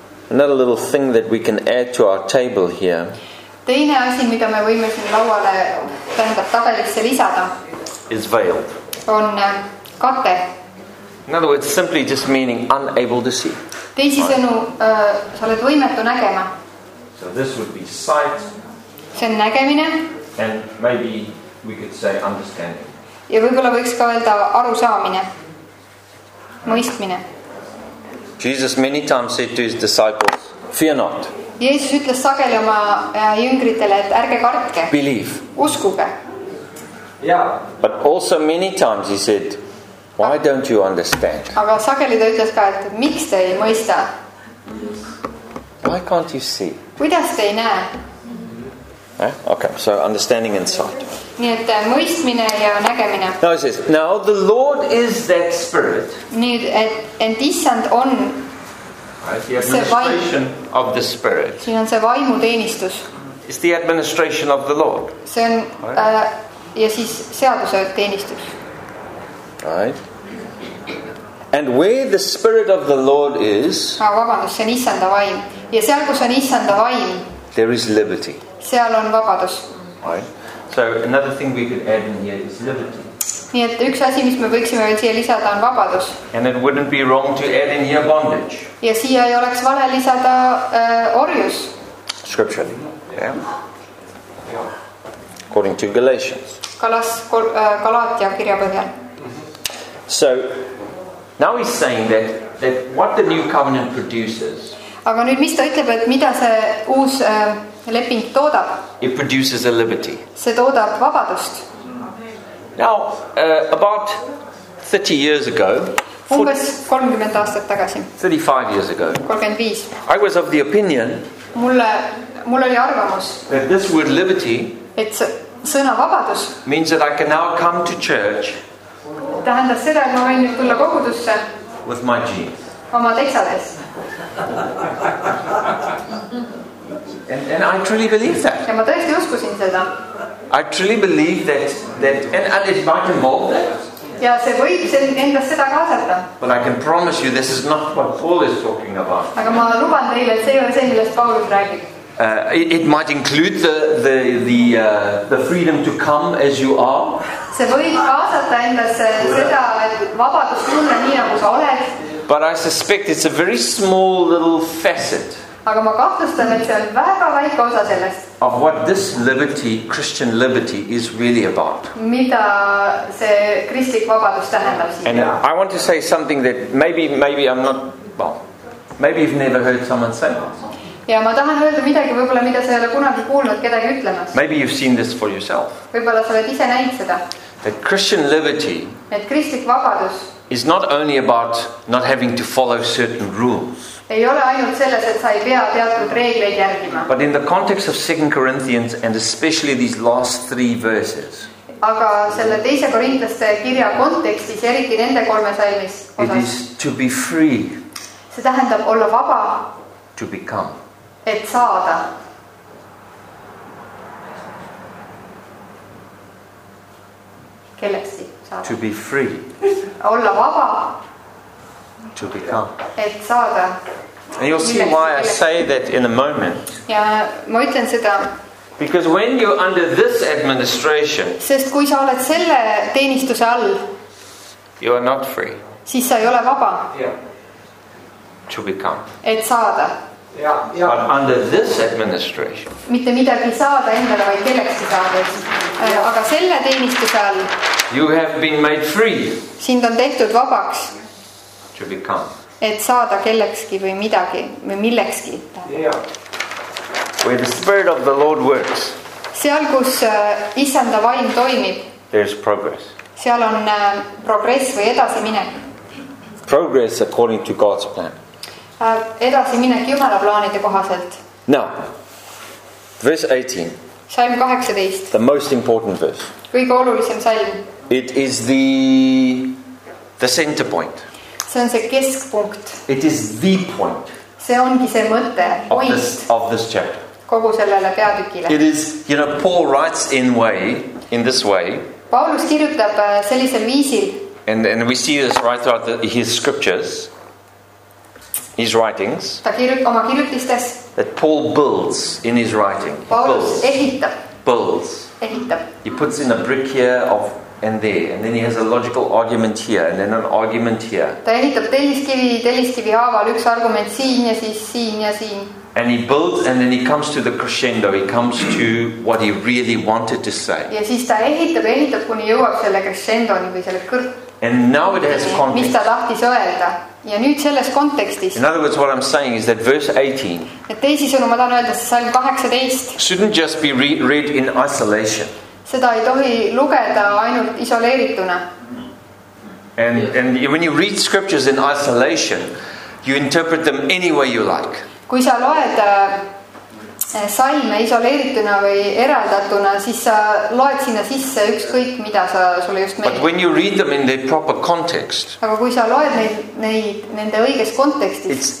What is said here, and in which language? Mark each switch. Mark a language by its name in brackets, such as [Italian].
[English] another little thing that we can add to our table here. [Estonian] Teine asi, mida me võime siin lauale tähendab tabelisse lisada, [English] is veiled. [Estonian] On kate. [English] In other words, simply just meaning unable to see. [Estonian] Teisi sõnu, sa oled võimetu nägema. [English] So this would be sight. [Estonian] See on nägemine. [English] And maybe we could say understanding. [Estonian] Ja võib-olla võiks ka öelda aru saamine. Mõistmine. [English] Jesus many times said to his disciples, fear not. [Estonian] Jeesus ütles sageli oma jüngritele, et ärge kartke. [English] Believe. [Estonian] Uskuge. [English] Yeah. But also many times he said, why don't you understand? [Estonian] Aga sageli ta ütles ka, et miks te ei mõista? [English] Why can't you see? [Estonian] Kuidas te ei näe? Eh? [English] Okay, so understanding and sight. [Estonian] Nii et mõistmine ja nägemine. [English] Now it says, now the Lord is that spirit. [Estonian] Nii et issand on [English] the administration of the spirit. [Estonian] Siin on see vaimu teenistus. [English] It's the administration of the Lord. [Estonian] See on ja siis seaduse teenistus. [English] Right. And where the spirit of the Lord is, [Estonian] vabandus, see on issanda vaim. Ja seal, kus on issanda vaim, [English] there is liberty. [Estonian] Seal on vabadus. [English] Right. So another thing we could add in here is liberty. [Estonian] Nii et üks asi, mis me võiksime veel siia lisada, on vabadus. [English] And it wouldn't be wrong to add in here bondage. [Estonian] Ja siia ei oleks vale lisada orjus. [English] Scripturally. Yeah. According to Galatians. [Estonian] Galaatia kirja põhjal. [English] So now he's saying that what the new covenant produces. [Estonian] Aga nüüd mis ta ütleb, et mida see uus leping toodab? [English] It produces a liberty. [Estonian] See toodab vabadust. [English] Now, about 30 years ago, [Estonian] umbes 30 aastat tagasi, [English] 35 years ago, [Estonian] 35, [English] I was of the opinion [Estonian] mulle oli arvamus, [English] that this word liberty, [Estonian] et sõna vabadus, [English] means that I can now come to church, [Estonian] tähendas seda, et ma võin nüüd tulla kogudusse [English] with my jeans. [Estonian] Oma teksades. [English] And I truly believe that. [Estonian] Ja ma tõesti uskusin seda. [English] I truly believe that and it might involve that. [Estonian] Ja see võib endast seda kaasata. [English] But I can promise you this is not what Paul is talking about. [Estonian] Aga ma luban teile, et see ei ole see, millest Paulus räägib. [English] It might include the freedom to come as you are. [Estonian] See võib kaasata endast seda, et vabadus tunne nii, nagu sa oled. [English] But I suspect it's a very small little facet. [Estonian] Aga ma kahtlustan, et see on väga väike osa sellest. [English] Of what this liberty, Christian liberty, is really about. [Estonian] Mida see kristlik vabadus tähendab siis. [English] And I want to say something that maybe I'm not, well, maybe you've never heard someone say. [Estonian] Ja ma tahan öelda midagi võibolla, mida sa ei ole kunagi kuulnud kedagi ütlemas. [English] Maybe you've seen this for yourself. [Estonian] Võibolla sa oled ise näinud seda. [English] That Christian liberty, [Estonian] et kristlik vabadus, [English] is not only about not having to follow certain rules. [Estonian] Ei ole ainult selles, et sa ei pea teatud reegleid järgima. [English] But in the context of 2 Corinthians and especially these last three verses. [Estonian] Aga selle teise korintlaste kirja kontekstis, eriti nende kolme salmis osas. [English] It is to be free. [Estonian] See tähendab olla vaba. [English] To become. [Estonian] Et saada. Kelleks siit? [English] To be free. [Estonian] Olla vaba. [English] To become. [Estonian] Et saada. [English] And you'll see why I say that in a moment. [Estonian] Ja ma ütlen seda. [English] Because when you're under this administration. [Estonian] Sest kui sa oled selle teenistuse all. [English] You are not free. [Estonian] Siis sa ei ole vaba. [English] Yeah. To become. [Estonian] Et saada. [English] But under this administration. [Estonian] Mitte midagi saada endale, vaid kellekski saada. Aga selle teenistuse all. [English] You have been made free. [Estonian] Sind on tehtud vabaks. [English] To become. [Estonian] Et saada kellekski või midagi või millekski. [English] Where the Spirit of the Lord works. [Estonian] Seal, kus Issanda vaim toimib. [English] There's progress. [Estonian] Seal on progress või edasi minek. [English] Progress according to God's plan. [Estonian] Edasi minek Jumala plaanide kohaselt. [English] Now, verse 18. [Estonian] Salm 18. [English] The most important verse. [Estonian] Kõige olulisem salm. [English] It is the center point. [Estonian] See on see keskpunkt. [English] It is the point. [Estonian] See ongi see mõte, point. [English] Of this chapter. [Estonian] Kogu sellele peatükile. [English] It is, you know, Paul writes in this way. [Estonian] Paulus kirjutab sellisel viisil. [English] And we see this right throughout his scriptures, his writings. [Estonian] Ta kirjutab oma kirjutistes. [English] That Paul builds in his writing. [Estonian] Paulus [English] builds. [Estonian] Ehitab. [English] He puts in a brick here of and there, and then he has a logical argument here, and then an argument here. [Estonian] Ta ehitab telliskivi haaval üks argument siin ja siis siin ja siin. [English] And he builds, and then he comes to the crescendo. He comes to what he really wanted to say. [Estonian] Ja siis ta ehitab kuni jõuab selle crescendoni või selle kõrg. [English] And now it has context. [Estonian] Mis ta tahtis öelda? Ja nüüd selles kontekstis. [English] In other words, what I'm saying is that verse 18. [Estonian] Et teisisõnu ma tahan öelda, et salm 18. [English] Shouldn't just be read in isolation. [Estonian] Seda ei tohi lugeda ainult isoleerituna. [English] And when you read scriptures in isolation, you interpret them any way you like. [Estonian] Kui sa loed salme isoleerituna või eraldatuna, siis sa loed sinna sisse ükskõik, mida sa sulle just meeldib. [English] But when you read them in their proper context, [Estonian] aga kui sa loed neid nende õiges kontekstis,